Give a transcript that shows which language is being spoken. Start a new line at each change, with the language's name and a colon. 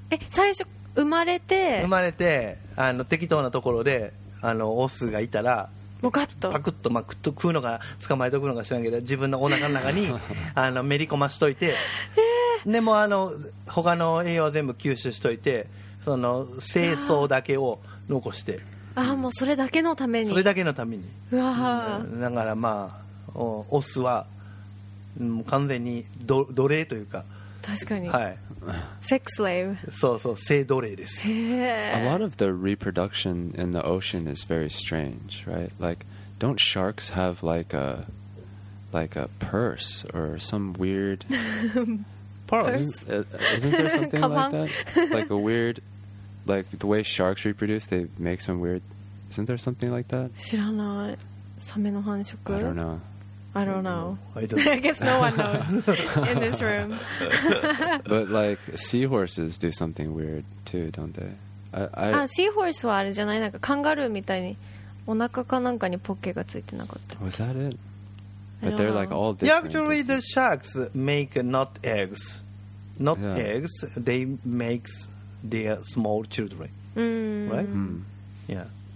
Japanese: 最初生まれて適当なところでオスがいたらパクッと食うのが捕まえとくのか知らんけど自分のお腹の中にメリコマしといて、でも他の栄養は全部吸収しといて、その精巣だけを残して、もうそれだけのために。だからまあオスは完全に奴隷というか。確かに。はい。セックススレーブ。そうそう、性奴隷です。へえ。
English: A lot of the reproduction in the ocean is very strange, right? Like, don't sharks have like a purse or some weird purse? Isn't there something like that? Like a weird, like the way sharks reproduce, they make some weird. Isn't there something like that?
Japanese: 知らない。サメの繁殖?
English: I don't know. I don't know. I don't know. I guess no one knows in this room. But like seahorses do something weird too, don't they?
Japanese: あ、seahorse はあれじゃない、なんかカンガルーみたいにお腹かなんかにポッケがついてなかった。
English: Was that it? But they're like all different. Actually, the sharks make not eggs. Not eggs. They make their small children. Right? Yeah.